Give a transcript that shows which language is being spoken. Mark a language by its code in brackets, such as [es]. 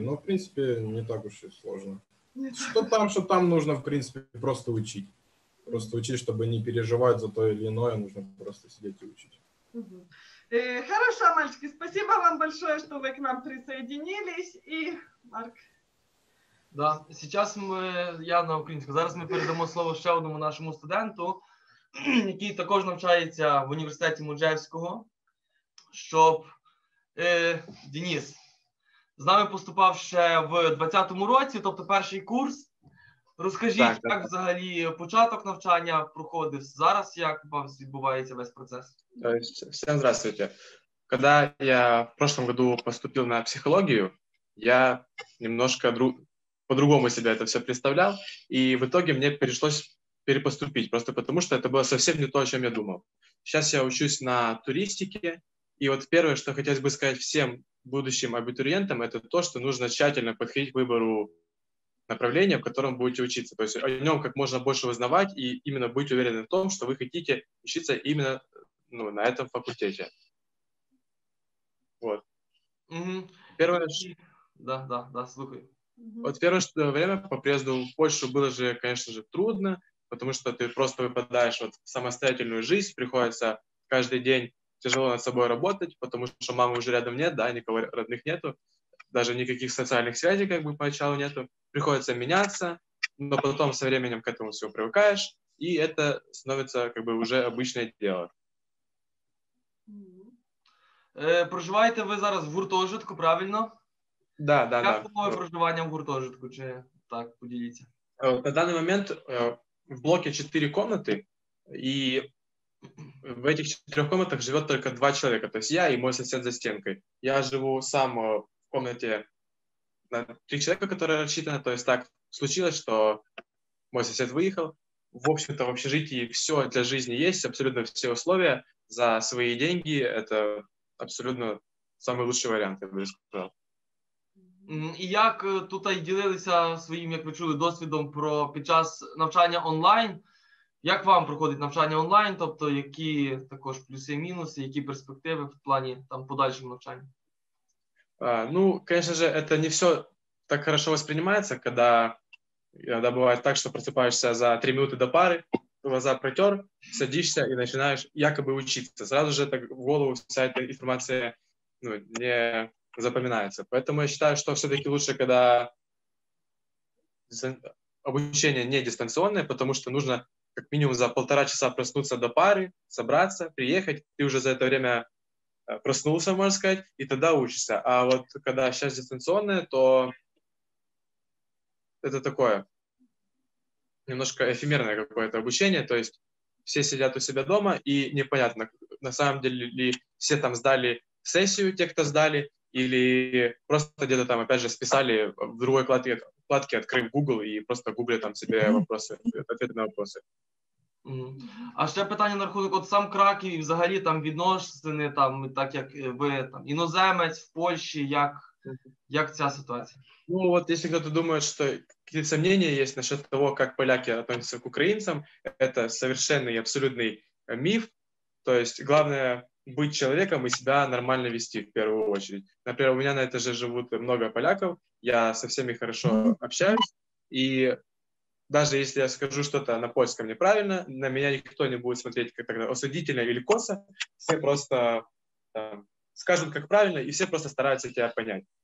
[ru] Но, в принципе, не так уж и сложно. Что там нужно, в принципе, просто учить. Просто учить, чтобы не переживать за то или иное, нужно просто сидеть и учить. Хорошо, мальчики, спасибо вам большое, что вы к нам присоединились. И, Марк. Да, сейчас я [uk] на українську. Зараз ми передамо слово ще одному нашому студенту, який також навчається в університеті Моджаївського, щоб Денис з нами поступав ще в 20-му році, тобто перший курс. Розкажіть, так. Взагалі початок навчання проходив зараз, як відбувається весь процес? [ru] Всім здравствуйте. [uk] Коли я [ru] в прошлому году [uk] поступив на психологію, [ru] я немножко по-другому себе это все представлял, и в итоге мне пришлось перепоступить, просто потому что это было совсем не то, о чем я думал. Сейчас я учусь на туристике, и вот первое, что хотелось бы сказать всем будущим абитуриентам, это то, что нужно тщательно подходить к выбору направления, в котором будете учиться, то есть о нем как можно больше узнавать и именно быть уверенным в том, что вы хотите учиться именно, ну, на этом факультете. Вот. Первое, [uk] да, слухай. [ru] Вот первое что время по приезду в Польшу было же, конечно же, трудно, потому что ты просто выпадаешь вот в самостоятельную жизнь, приходится каждый день тяжело над собой работать, потому что мамы уже рядом нет, да, никого родных нету, даже никаких социальных связей как бы поначалу нету, приходится меняться, но потом со временем к этому всего привыкаешь, и это становится как бы уже обычное дело. [uk] Проживаєте ви зараз в гуртожитку, правильно? [ru] Да, да, да. [uk] Як було проживання в гуртожитку, чи так, поділіться? На даний момент в блоці 4 кімнати, і в цих 4 кімнатах живе тільки 2 чоловіка, тобто я і мій сусід за стінкою. Я живу сам в кімнаті на 3 чоловіка, які розчитані, тобто [ru] так случилось, [uk] що мій сусід виїхав. [ru] В общем-то, [uk] в общежитті все для життя є, абсолютно всі умови за свої гроші, це... Абсолютно [ru] самый лучший [uk] варіант, я би сказав. І як тут і ділилися своїм, як ви чули, досвідом про під час навчання онлайн? Як вам проходить навчання онлайн? Тобто, які також плюси і мінуси, які перспективи в плані там подальшого навчання? Ну, звісно ж, це не все так [ru] хорошо [uk] сприймається, коли іноді буває так, що просипаєшся за 3 хвилини до пари. [ru] Глаза протер, садишься и начинаешь якобы учиться. Сразу же так в голову вся эта информация ну, не запоминается. Поэтому я считаю, что все-таки лучше, когда обучение не дистанционное, потому что нужно как минимум за полтора часа проснуться до пары, собраться, приехать. Ты уже за это время проснулся, можно сказать, и тогда учишься. А вот когда сейчас дистанционное, то это такое... Немножко эфемерное какое-то обучение, то есть все сидят у себя дома, и непонятно, на самом деле ли все там сдали сессию, те, кто сдали, или просто где-то там, опять же, списали в другой вкладке, открыв Google, и просто гуглили там себе вопросы, ответы на вопросы. [uk] А ще питання на рахунок, от сам Краків і взагалі там відносини, там, так як ви там іноземець в Польщі, як ця ситуація? [ru] Ну, вот если кто-то думает, что какие-то сомнения есть насчет того, как поляки относятся к украинцам, это совершенный абсолютный миф. То есть главное быть человеком и себя нормально вести в первую очередь. Например, у меня на этаже живут много поляков, я со всеми хорошо общаюсь, и даже если я скажу что-то на польском неправильно, на меня никто не будет смотреть как тогда осудительно или косо, все просто скажут как правильно, и все просто стараются тебя понять.